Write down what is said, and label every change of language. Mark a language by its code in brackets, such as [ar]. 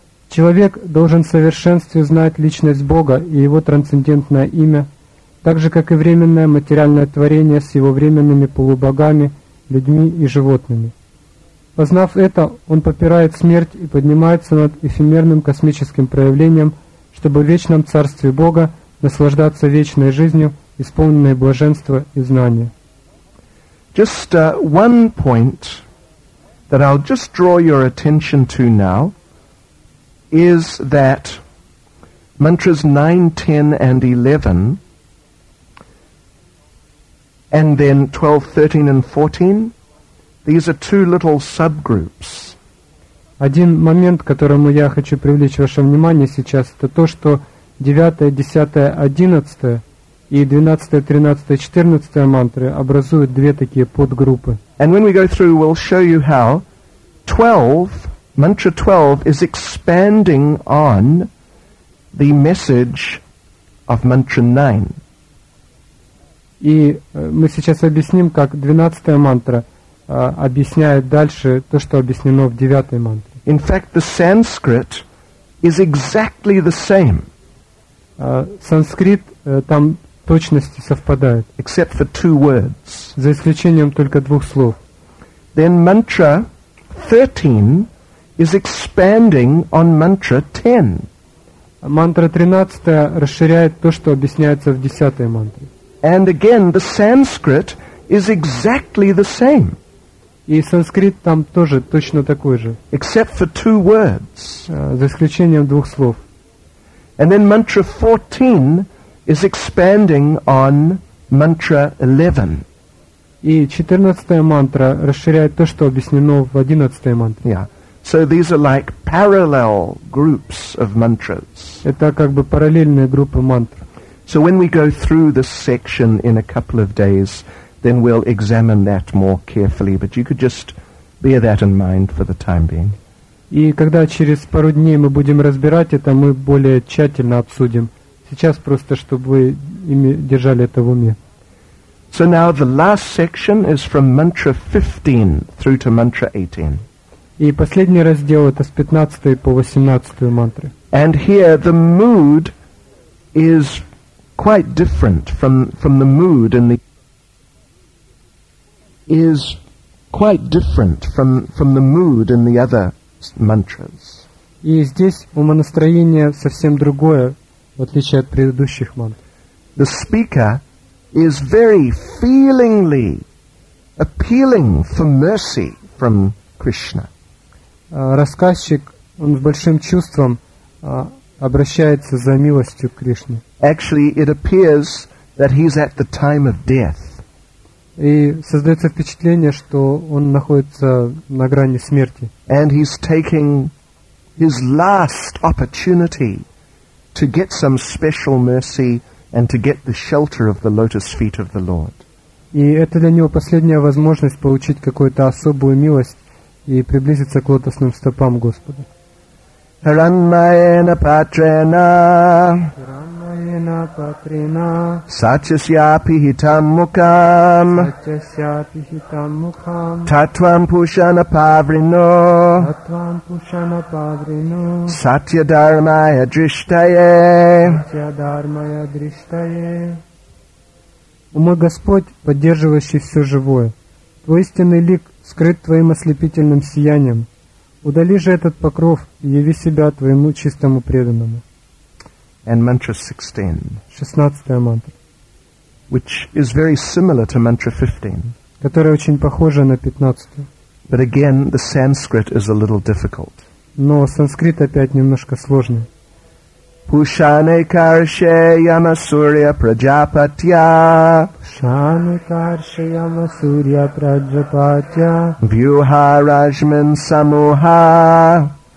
[ru] Человек должен в совершенстве знать личность Бога и его трансцендентное имя, так же, как и временное материальное творение с его временными полубогами, людьми и животными. Познав это, он попирает смерть и поднимается над эфемерным космическим проявлением, чтобы в вечном царстве Бога наслаждаться вечной жизнью, исполненной блаженства и знания. [en] Just one point that I'll just draw your attention to now is that mantras 9, 10 and 11 and then 12, 13 and 14, these are two little subgroups. [ru] Один момент, к которому я хочу привлечь ваше внимание сейчас, это то, что 9, 10, 11 и 12, 13, 14 мантры образуют две такие подгруппы. [en] And when we go through, we'll show you how 12, mantra 12 is expanding on the message of mantra 9. [ru] И мы сейчас объясним, как 12-я мантра объясняет дальше то, что объяснено в 9-й мантре. [en] In fact, the Sanskrit is exactly the same. [ru] Санскрит там точности совпадает. [en] Except for two words. [ru] За исключением только двух слов. [en] Then mantra 13 is expanding on mantra 10. [ru] Мантра 13 расширяет то, что объясняется в 10-й мантре. [en] And again, the Sanskrit is exactly the same. [ru] И санскрит там тоже точно такой же. [en] Except for two words. [ru] За исключением двух слов. [en] And then mantra 14 is expanding on mantra 11. [ru] И 14-я мантра расширяет то, что объяснено в 11-й мантре. [en] Yeah. So these are like parallel groups of mantras. [ru] Это как бы параллельные группы мантр. [en] So when we go through this section in a couple of days, then we'll examine that more carefully. But you could just bear that in mind for the time being. [ru] И когда через пару дней мы будем разбирать это, мы более тщательно обсудим. Сейчас просто, чтобы вы держали это в уме. [en] So now the last section is from mantra 15 through to mantra 18. [ru] И последний раздел это с 15 по 18 мантры. [en] And here the mood is quite different from the mood in the is quite different from the mood in the other mantras. [ru] И здесь умонастроение совсем другое, в отличие от предыдущих мантр. [en] The speaker is very feelingly appealing for mercy from Krishna. [ru] Рассказчик, он с большим чувством обращается за милостью к Кришне. [en] Actually, it appears that he's at the time of death. [ru] И создается впечатление, что он находится на грани смерти. [en] And he's taking his last opportunity to get some special mercy and to get the shelter of the lotus feet of the Lord. [ru] И это для него последняя возможность получить какую-то особую милость и приблизиться к лотосным стопам Господа. [sa] Haranmayena patrena. Haranmayena patrena. Sachasyapi hitam mukam. Sachasyapi hitam mukam. Tatvam pushana pavrino. Tatvam pushana pavrino. Satya dharmaya drishtaye. Satya dharmaya drishtaye. [ru] О мой Господь, поддерживающий все живое, Твой истинный лик скрыт Твоим ослепительным сиянием. Удали же этот покров и яви себя твоему чистому преданному. [en] And mantra 16. [ru] 16-я мантра. [en] Which is very similar to mantra 15. [ru] Которая очень похожа на 15-ю. [en] But again, the Sanskrit is a little difficult. [ru] Но санскрит опять немножко сложный. [sa] Pushane karshe yamasurya prajapatya. Pushane karshe yamasurya prajapatya. Vyuha rajman samuha.